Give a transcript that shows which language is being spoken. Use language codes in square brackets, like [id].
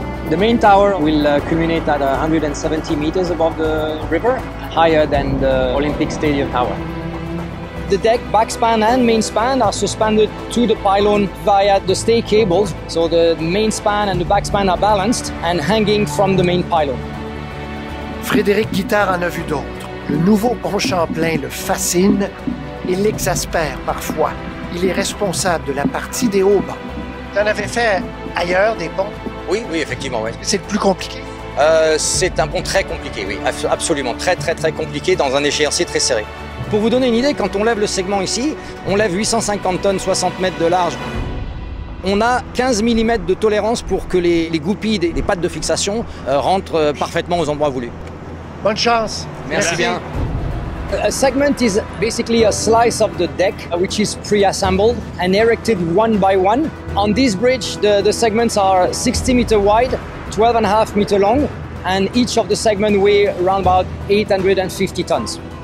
[en] The main tower will culminate at 170 meters above the river, higher than the Olympic Stadium tower. The deck, backspan and main span are suspended to the pylon via the stay cables. So the main span and the backspan are balanced and hanging from the main pylon. [fr] Frédéric Guittard en a vu d'autres. Le nouveau pont Champlain le fascine et l'exaspère parfois. Il est responsable de la partie des haubans. Tu en avais fait ailleurs des ponts? Oui, effectivement. Oui. C'est le plus compliqué? C'est un pont très compliqué, oui. Absolument. Très, très, très compliqué dans un échéancier très serré. Pour vous donner une idée, quand on lève le segment ici, on lève 850 tonnes, 60 mètres de large. On a 15 mm de tolérance pour que les goupilles des pattes de fixation rentrent parfaitement aux endroits voulus. Bonne chance. Merci bien. [en] A segment is basically a slice of the deck which is pre-assembled and erected one by one. On this bridge, the segments are 60 meters wide, 12.5 meters long, and each of the segments weigh around about 850 tons.